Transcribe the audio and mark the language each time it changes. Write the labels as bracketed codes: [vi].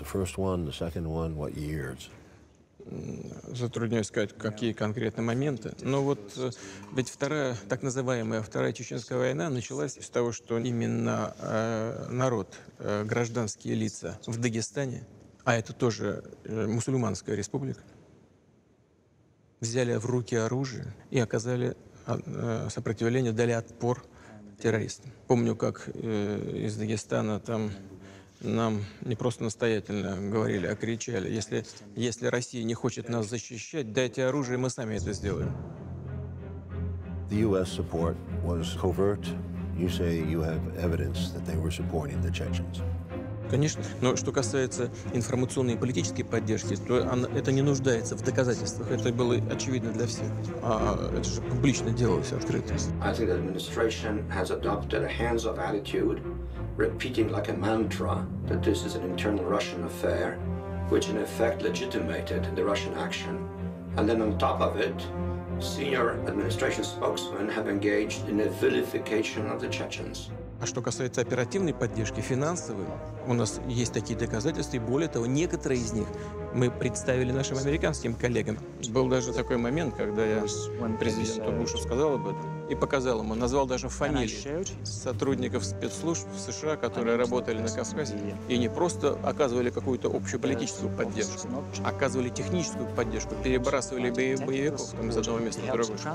[en] The first one, the second one, what years? [ru] Затрудняюсь сказать, какие конкретно моменты. Но вот ведь вторая, так называемая вторая чеченская война началась из того, что именно народ, гражданские лица в Дагестане, а это тоже мусульманская республика, взяли в руки оружие и оказали сопротивление, дали отпор террористам. Помню, как из Дагестана там нам не просто настоятельно говорили, а кричали: если Россия не хочет нас защищать, дайте оружие, мы сами это сделаем. [en] The US support was covert. You say you have evidence that they were supporting the Chechens. [ru] Конечно, но что касается информационной и политической поддержки, то это не нуждается в доказательствах. Это было очевидно для всех. А это же публично делалось, открыто. [en] I think the administration has adopted a hands-off attitude, repeating like a mantra that this is an internal Russian affair, which in effect legitimated the Russian action. And then on top of it, senior administration spokesmen have engaged in a vilification of the Chechens. [ru] А что касается оперативной поддержки, финансовой, у нас есть такие доказательства, и более того, некоторые из них мы представили нашим американским коллегам. Был даже такой момент, когда я президенту Бушу сказал об этом и показал ему, назвал даже фамилии сотрудников спецслужб в США, которые работали на Кавказе, и не просто оказывали какую-то общую политическую поддержку, оказывали техническую поддержку, перебрасывали боевиков там, из одного места в другое.